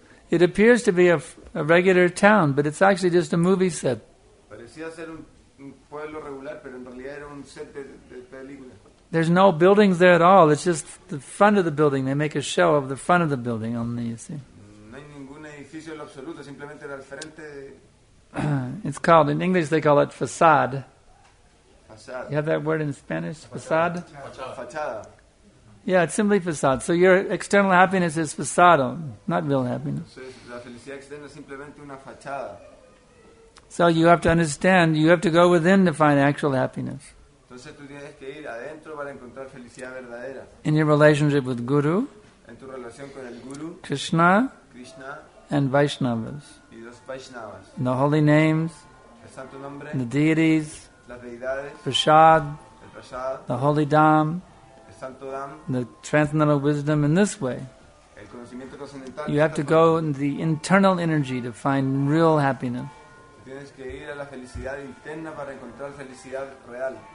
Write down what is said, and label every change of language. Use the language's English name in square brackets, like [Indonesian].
[English] It appears to be a regular town, but it's actually just a movie set. [Spanish] Parecía ser un pueblo regular, pero en realidad era un set de película. [English] There's no buildings there at all. It's just the front of the building. They make a show of the front of the building only, you see. [Spanish] No hay ningún edificio en lo absoluto, simplemente era el frente. [English] It's called, in English they call it facade. Facade. You have that word in Spanish? Facade? Facade. Facade. Yeah, it's simply facade. So your external happiness is facade, not real happiness. [Spanish] La felicidad externa es simplemente una fachada. [English] So you have to understand, you have to go within to find actual happiness. [Spanish] Entonces tú tienes que ir adentro para encontrar felicidad verdadera. [English] In your relationship with Guru, [Spanish] en tu relación con el Guru, [English] Krishna, [Spanish] Krishna, [English] and Vaishnavas, [Spanish] y los Vaishnavas, [English] the holy names, [Spanish] el santo nombre, [English] the deities, [Spanish] las deidades, [English] Prashad, [Spanish] el Prashad, [English] the holy Dham, [Spanish] el santo Dham, [English] the transcendental wisdom. In this way, [Spanish] el conocimiento trascendental, [English] you have to go in the internal energy to find real happiness. [Spanish] Tienes que ir a la felicidad interna para encontrar felicidad real.